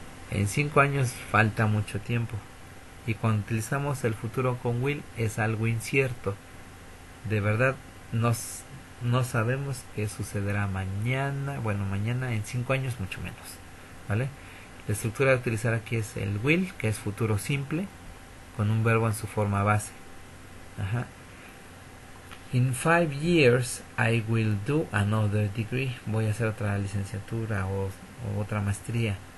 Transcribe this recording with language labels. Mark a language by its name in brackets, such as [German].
[Spanish] En 5 años falta mucho tiempo. Y cuando utilizamos el futuro con will, es algo incierto. De verdad, no sabemos qué sucederá mañana. Bueno, mañana en 5 años, mucho menos. ¿Vale? La estructura a utilizar aquí es el will, que es futuro simple, con un verbo en su forma base. Ajá. [English] In 5 years I will do another degree. [Spanish] Voy a hacer otra licenciatura o otra maestría.